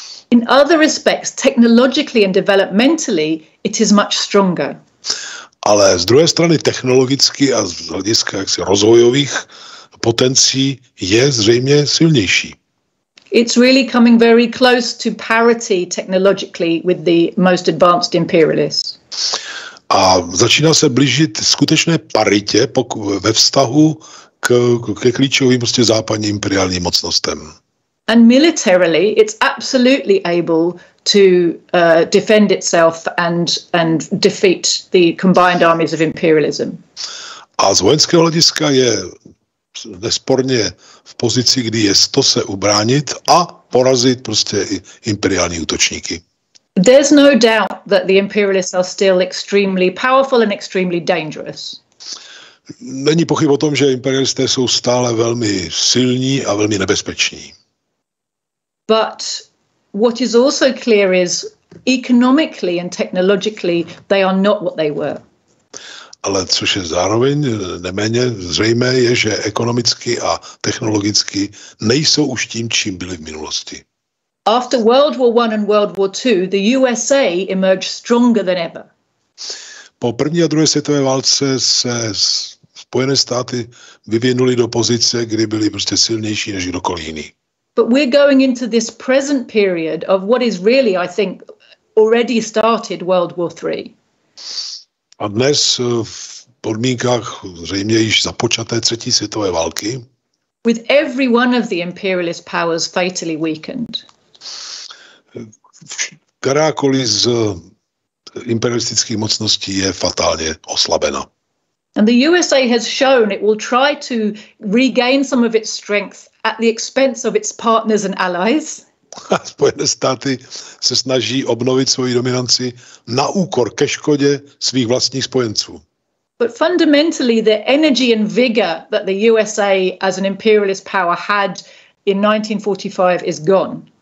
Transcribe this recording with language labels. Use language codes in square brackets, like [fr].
[en] In other respects, technologically and developmentally, it is much stronger. [cs] Ale z druhé strany technologicky a z hlediska rozvojových potencí je zřejmě silnější. [en] It's really coming very close to parity technologically with the most advanced imperialists. [cs] A začíná se blížit skutečné paritě ve vztahu ke klíčovým prostě západním imperiálním mocnostem. [en] And militarily, it's absolutely able to defend itself and defeat the combined armies of imperialism. [cs] A z vojenského hlediska je nesporně v pozici, kdy je to se ubránit a porazit prostě i imperiální útočníky. [en] There's no doubt that the imperialists are still extremely powerful and extremely dangerous. [cs] Není pochyb o tom, že imperialisté jsou stále velmi silní a velmi nebezpeční. [en] But what is also clear is economically and technologically they are not what they were. [cs] Ale což je zároveň neméně zřejmé, je, že ekonomicky a technologicky nejsou už tím, čím byli v minulosti. [en] After World War I and World War II, the USA emerged stronger than ever. [cs] Po první a druhé světové válce se Spojené státy vyvinuly do pozice, kdy byly prostě silnější než kdokoliv jiný. [en] But we're going into this present period of what is really, I think, already started World War III. [cs] A dnes v podmínkách zřejmě již započaté třetí světové války. [en] With every one of the imperialist powers fatally weakened. [cs] Kterákoliv z imperialistických mocností je fatálně oslabena. [en] And the USA has shown it will try to regain some of its strength at the expense of its partners and allies. [cs] Spojené státy se snaží obnovit svoji dominanci na úkor ke škodě svých vlastních spojenců. [en] But fundamentally the energy and vigor that the USA as an imperialist power had in 1945 is gone.